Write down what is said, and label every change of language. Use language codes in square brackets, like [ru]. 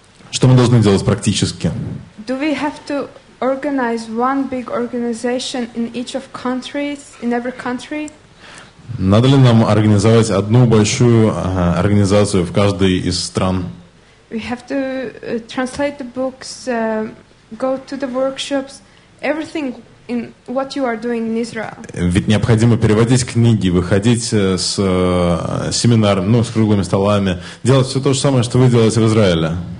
[ru] Что мы должны делать практически? [en] Do we have to organize one big organization in each of countries, in every country? [ru] Надо ли нам организовать одну большую организацию в каждой из стран? [en] We have to translate the books, go to the workshops, everything in what you are doing in Israel. [ru] Ведь необходимо переводить книги, выходить с семинаром, ну, с круглыми столами, делать все то же самое, что вы делаете в Израиле.